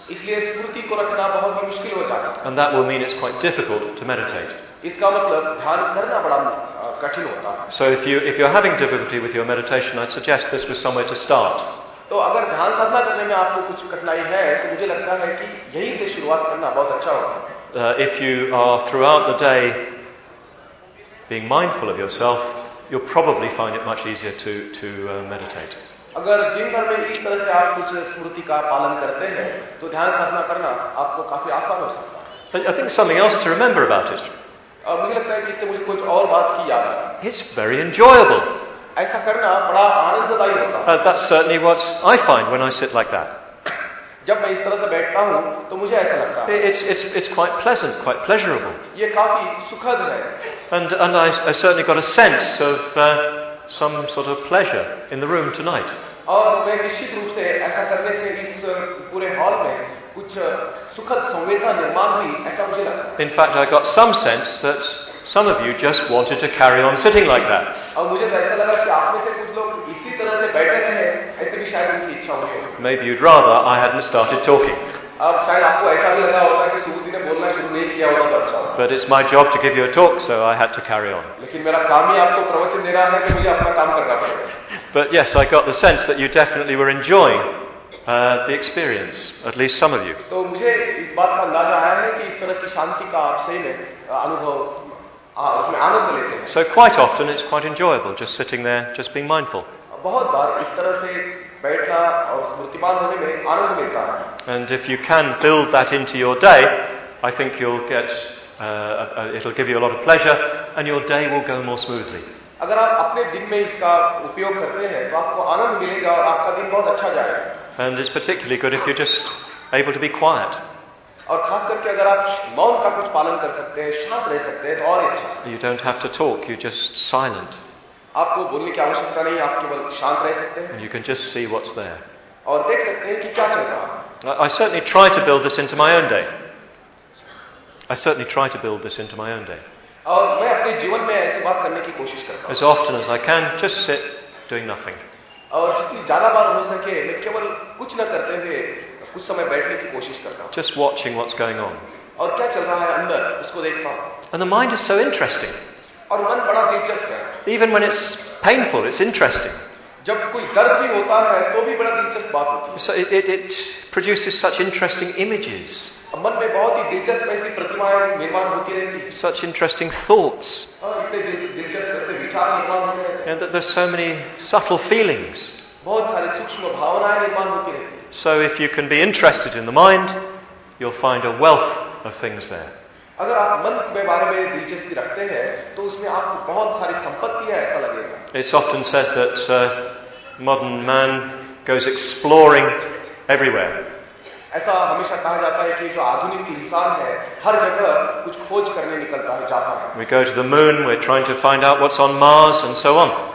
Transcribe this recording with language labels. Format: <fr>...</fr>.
<hi>इसलिए स्मृति को रखना बहुत ही मुश्किल हो जाता है.</hi> <en>And that will mean it's quite difficult to meditate.</en> <hi>इसका मतलब ध्यान करना बड़ा कठिन होता है.</hi> <en>So if you're having difficulty with your meditation, I'd suggest this was somewhere to start.</en> <hi>तो अगर ध्यान साधना करने में आपको कुछ कठिनाई है तो मुझे लगता है कि यहीं से शुरुआत करना बहुत अच्छा होगा.</hi> <en>If you are throughout the day being mindful of yourself, you'll probably find it much easier to meditate.</en> <hi>अगर दिन भर में इस तरह से आप कुछ स्मृति का पालन करते हैं तो ध्यान साधना करना आपको काफी आसान हो सकता है.</hi> <en>But I think something else to remember about it.</en> <hi>मुझे लगता है कि इससे मुझे कुछ और बात की याद आ.</hi> <en>It's very enjoyable.</en> <hi>ऐसा करना बड़ा आनंददायी होता है.</hi> <en>That's certainly what I find when I sit like that.</en> <hi>जब मैं इस तरह से बैठता हूँ तो मुझे ऐसा लगता है.</hi> <en>It's quite pleasant, quite pleasurable.</en> <hi>ये काफी सुखद है.</hi> <en>And I certainly got a sense of some sort of pleasure in the room tonight.</en> <hi>और मैं निश्चित रूप से ऐसा करने से इस पूरे हॉल में कुछ सुखद संवेदना निर्माण हुई ऐसा मुझे लगा.</hi> <en>In fact, I got some sense that some of you just wanted to carry on sitting like that.</en> <hi>और मुझे ऐसा लगा कि आप में से कुछ लोग इसी तरह से बैठे हैं ऐसे भी शायद उनकी इच्छा हो.</hi> <en>Maybe you'd rather I hadn't started talking.</en> <hi>अब शायद आपको ऐसा भी लगा होगा कि सुबुद्धि ने बोलना शुरू नहीं किया होगा तो अच्छा.</hi> <en>But it's my job to give you a talk, so I had to carry on.</en> <hi>लेकिन मेरा काम ही आपको प्रवचन देना है तो मुझे अपना काम करना पड़ेगा.</hi> <en>But yes, I got the sense that you definitely were enjoying the experience, at least some of you.</en> <hi>तो मुझे इस बात का अंदाजा आया है कि इस तरह की शांति का आप सही में अनुभव उसमें आनंद लेते हैं.</hi> <en>So quite often it's quite enjoyable just sitting there, just being mindful.</en> <hi>बहुत बार इस तरह से बैठना और स्मृतिमान होने में आनंद मिलता है.</hi> <en>And if you can build that into your day, I think you'll get it'll give you a lot of pleasure and your day will go more smoothly.</en> <hi>अगर आप अपने दिन में इसका उपयोग करते हैं तो आपको आनंद मिलेगा और आपका दिन बहुत अच्छा जाएगा.</hi> <en>And it's particularly good if you're just able to be quiet.</en> <hi>और खास करके अगर आप मौन का कुछ पालन कर सकते हैं, शांत रह सकते हैं तो और अच्छा.</hi> <en>You don't have to talk, you're just silent.</en> <hi>आपको बोलने की आवश्यकता नहीं, आप केवल शांत रह सकते हैं.</hi> <en>And you can just see what's there.</en> <hi>और देख सकते हैं कि क्या चल रहा है.</hi> <en>I certainly try to build this into my own day.</en> <hi>और मैं अपने जीवन में ऐसी बात करने की कोशिश करता हूँ.</hi> <en>As often as I can, just sit doing nothing.</en> <hi>और जितनी ज्यादा बार हो सके मैं केवल कुछ न करते हुए कुछ समय बैठने की कोशिश करता हूँ.</hi> <en>Just watching what's going on.</en> <hi>और क्या चल रहा है अंदर उसको देखता हूँ.</hi> <en>And the mind is so interesting.</en> <hi>और मन बड़ा दिलचस्प है.</hi> <en>Even when it's painful, it's interesting.</en> <hi>जब कोई दर्द भी होता है तो भी बड़ा दिलचस्प बात होती है.</hi> <en>So it produces such interesting images.</en> <hi>मन में बहुत ही दिलचस्प ऐसी प्रतिमाएं निर्माण होती रहती है.</hi> <en>Such interesting thoughts.</en> <hi>और इतने दिलचस्प विचार निर्माण होते रहते हैं.</hi> <en>And there's so many subtle feelings.</en> <hi>बहुत सारे सूक्ष्म भावनाएं निर्माण होती रहती है.</hi> <en>So if you can be interested in the mind, you'll find a wealth of things there.</en> <hi>अगर आप मन के बारे में दिलचस्पी रखते हैं तो उसमें आपको बहुत सारी संपत्ति है ऐसा लगेगा.</hi> <en>It's often said that modern man goes exploring everywhere.</en> <hi>ऐसा हमेशा कहा जाता है कि जो आधुनिक इंसान है हर जगह कुछ खोज करने निकलता है जाता है.</hi> <en>We go to the moon, we're trying to find out what's on Mars and so on.</en>